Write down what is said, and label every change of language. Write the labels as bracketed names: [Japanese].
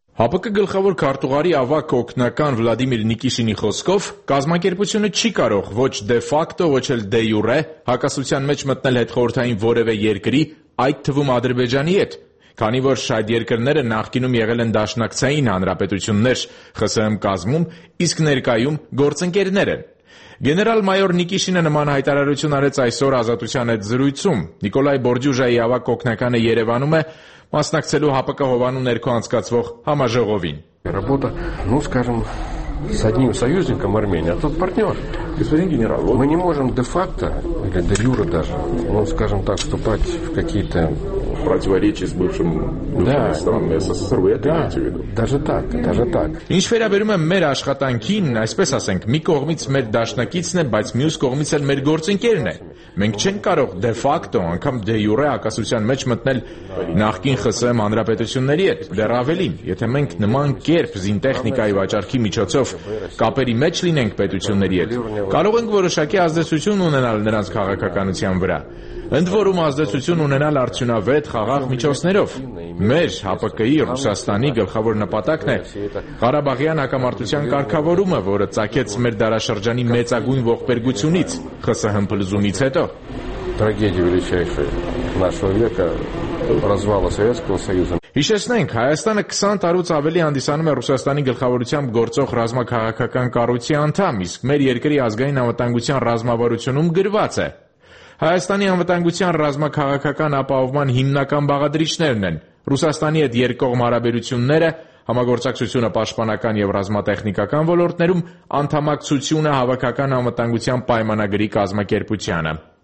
[Armenian] ՀԱՊԿ գլխավոր քարտուղարի ավակ օգնական Վլադիմիր Նիկիշինի խոսքով կազմակերպությունը չի կարող ոչ դե ֆակտո, ոչ էլ դե յուրե հակասության մեջ մտնել հետ խորհրդային որևէ երկրի, այդ թվում Ադրբեջանի հետ, քանի որ շատ երկրները նախկինում եղել են դաշնակցային հանրապետություններ ԽՍՀՄ կազմում, իսկ ներկայում գործընկերներ են։ Գեներալ մայոր Նիկիշինը նման հայտարարություն արեց այսօր Ազատության հետ զրույցում։ Նիկոլայ Բորդյուժայի ավակ օգնականը Երևանում է մասնակցելու ՀԱՊԿ հովանու ներքո անցկացվող համաժողովին։ [Russian] С одним союзником Армения, а тот партнер. Господин генерал, мы не можем де-факто, или де-юре даже, ну, скажем так, вступать в какие-то... Противоречия с бывшим странами СССР, вы это имеете в виду? Даже так. [Armenian] Ինչ վերաբերում է մեր աշխատանքին, այսպես ասենք, մի կողմից մեր դաշնակիցն է, բայց մյուս կողմից էլ մեր գործընկերն է։ Մենք չենք կարող դե-ֆակտո անգամ դե-յուրե հակասության մեջ մտնել նախկին ԽՍՀՄ հանրապետությունների հետ, դեռ ավելին, եթե մենք նման կերպ զինտեխնիկայի վաճառքի միջոցով կապերի մեջ լինենք պետությունների հետ, կարող ենք որոշակի ազդեցություն ունենալ նրանց քաղաքականության վրա, ընդ որում ազդեցություն ունենալ արդյունավետ խաղաղ միջոցներով։ Մեր ՀԱՊԿ-ի Ռուսաստանի գլխավոր նպատակն է Ղարաբաղյան հակամարտության կարգավորումը, որը ծագեց մեր դարաշրջանի մեծագույն ողբերգությունից ԽՍՀՄ փլուզումից հետո։ [Russian] Трагедия величайшая нашего века развала Советского Союза. [Armenian] Հիշեցնենք, Հայաստանը 20 տարուց ավելի հանդիսանում է Ռուսաստանի գլխավորությամբ գործող ռազմաքաղաքական կառույցի անդամ, իսկ մեր երկրի ազգային անվտանգության ռազմավարությունում գրված է Հայաստանի անվտանգության ռազմաքաղաքական ապահովման հիմնական բաղադրիչներն են Ռուսաստանի հետ երկկողմ հարաբերությունները, համագործակցությունը պաշտպանական եւ ռազմատեխնիկական ոլորտներում, անդամակցությունը հավաքական անվտանգության պայմանագրի կազմակերպությանը։